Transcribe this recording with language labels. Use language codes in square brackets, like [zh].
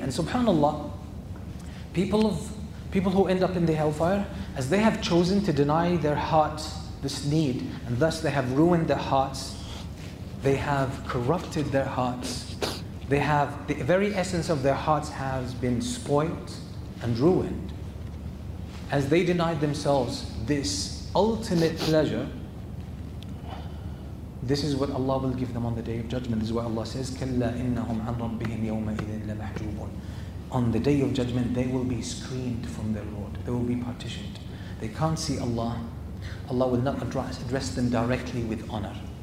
[en] And subhanAllah, people who end up in the hellfire, as they have chosen to deny their heart this need, and thus they have ruined their hearts, they have corrupted their hearts, they have, the very essence of their hearts has been spoiled and ruined. As they denied themselves this ultimate pleasure, this is what Allah will give them on the Day of Judgment. This is why Allah says, [ar] كَلَّا إِنَّهُمْ عَنْ رَبِّهِمْ يَوْمَئِذٍ لَمَحْجُوبُونَ. [en] On the Day of Judgment, they will be screened from their Lord. They will be partitioned. They can't see Allah. Allah will not address them directly with honor.